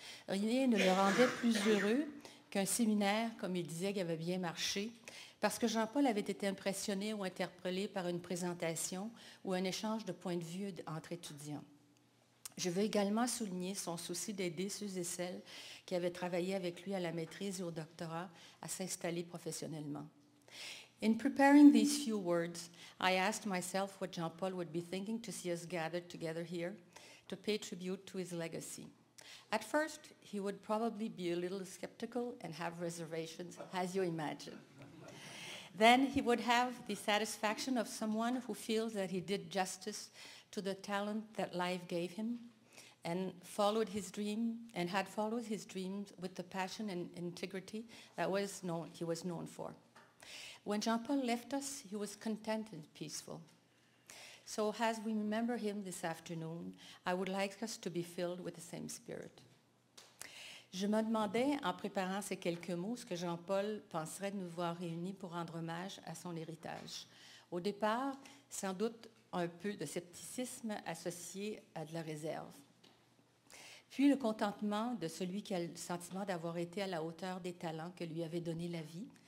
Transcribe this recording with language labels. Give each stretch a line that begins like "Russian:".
French: Rien ne le rendait plus heureux qu'un séminaire, comme il disait, qui avait bien marché, parce que Jean-Paul avait été impressionné ou interpellé par une présentation ou un échange de points de vue entre étudiants. Je veux également souligner son souci d'aider ceux et celles qui avaient travaillé avec lui à la maîtrise et au doctorat à s'installer professionnellement.
English: In preparing these few words, I asked myself what Jean-Paul would be thinking to see us gathered together here to pay tribute to his legacy. At first, he would probably be a little skeptical and have reservations, as you imagine. Then he would have the satisfaction of someone who feels that he did justice to the talent that life gave him and followed his dream and had followed his dreams with the passion and integrity that he was known for. When Jean-Paul left us, he was content and peaceful. So as we remember him this afternoon, I would like us to be filled with the same spirit.
French: Je me demandais, en préparant ces quelques mots, ce que Jean-Paul penserait de nous voir réunis pour rendre hommage à son héritage. Au départ, sans doute un peu de scepticisme associé à de la réserve. Puis le contentement de celui qui a le sentiment d'avoir été à la hauteur des talents que lui avait donné la vie,